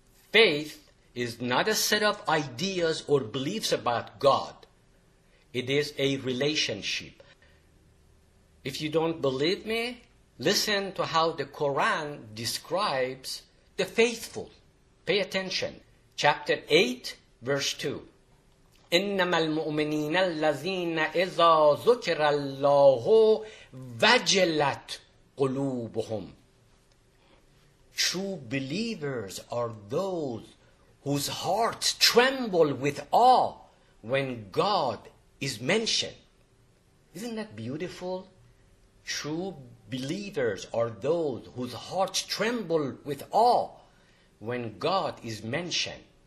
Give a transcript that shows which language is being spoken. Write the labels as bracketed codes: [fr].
[en] Faith is not a set of ideas or beliefs about God. It is a relationship. If you don't believe me, listen to how the Quran describes the faithful. Pay attention. Chapter 8, verse 2. [ar] إنما المؤمنين الذين إذا ذكر الله وجلت قلوبهم. [en] True believers are those whose hearts tremble with awe when God is mentioned. Isn't that beautiful? True believers are those whose hearts tremble with awe when God is mentioned.